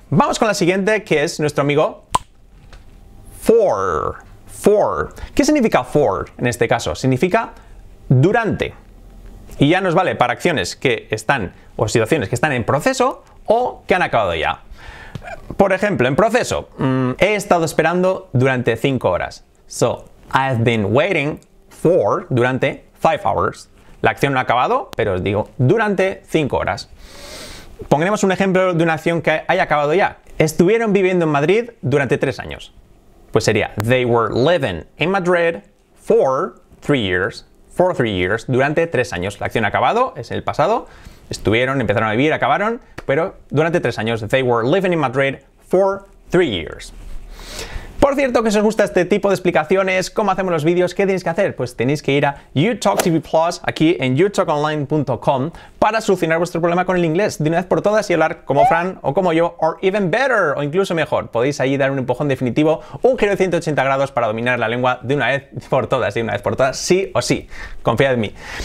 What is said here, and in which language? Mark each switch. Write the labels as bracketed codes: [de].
[es] Vamos con la siguiente, que es nuestro amigo for. For. ¿Qué significa for en este caso? Significa durante. Y ya nos vale para acciones que están, o situaciones que están en proceso o que han acabado ya. Por ejemplo, en proceso, he estado esperando durante 5 horas. [en] So, I've been waiting for, durante 5 hours. [es] La acción no ha acabado, pero os digo, durante 5 horas. Pongamos un ejemplo de una acción que haya acabado ya. Estuvieron viviendo en Madrid durante 3 años. Pues sería, [en] they were living in Madrid for 3 years. For 3 years, [es] durante 3 años. La acción ha acabado, es el pasado. Estuvieron, empezaron a vivir, acabaron, pero durante 3 años. [en] They were living in Madrid for 3 years. [es] Por cierto, que si os gusta este tipo de explicaciones, cómo hacemos los vídeos, ¿qué tenéis que hacer? Pues tenéis que ir a YouTalkTV Plus, aquí en YouTalkOnline.com, para solucionar vuestro problema con el inglés de una vez por todas y hablar como Fran o como yo, [en] or even better, [es] o incluso mejor. Podéis ahí dar un empujón definitivo, un giro de 180 grados para dominar la lengua de una vez por todas, y una vez por todas, sí o sí. Confiad en mí.